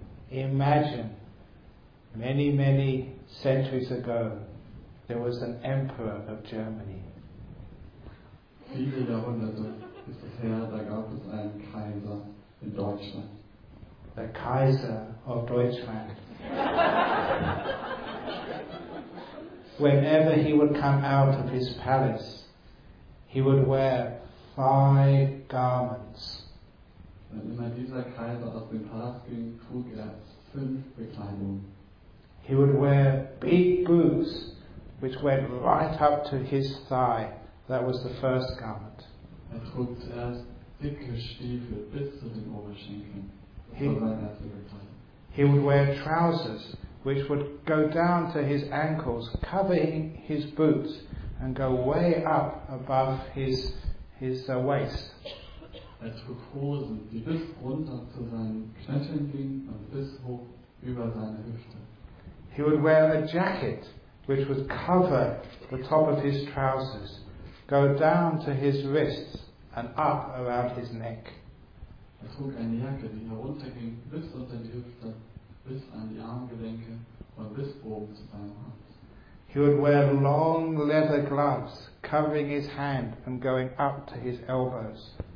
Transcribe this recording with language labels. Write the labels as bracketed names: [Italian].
[English] Imagine, many, many centuries ago, there was an emperor of Germany. [German] Viele Jahrhunderte ist es her, da gab es einen Kaiser in Deutschland. [English] The Kaiser of Deutschland. Whenever he would come out of his palace, he would wear five garments. [German] Wenn immer dieser Kaiser aus dem Palast ging, trug er fünf Bekleidungen. [English] He would wear big boots, which went right up to his thigh. That was the first garment. [German] Er trug zuerst dicke Stiefel bis zu den Oberschenkeln. Das war sein erster Bekleidung. [English] He would wear trousers which would go down to his ankles, covering his boots, and go way up above his waist. [German] Als Kokosen, die bis runter zu seinen Knöcheln ging und bis hoch über seine Hüfte. [English] He would wear a jacket which would cover the top of his trousers, go down to his wrists and up around his neck. [German] Er trug eine Jacke, die herunterging bis unter die Hüfte, bis an die Armgelenke und bis oben zu seinem Hals. [English] He would wear long leather gloves covering his hand and going up to his elbows.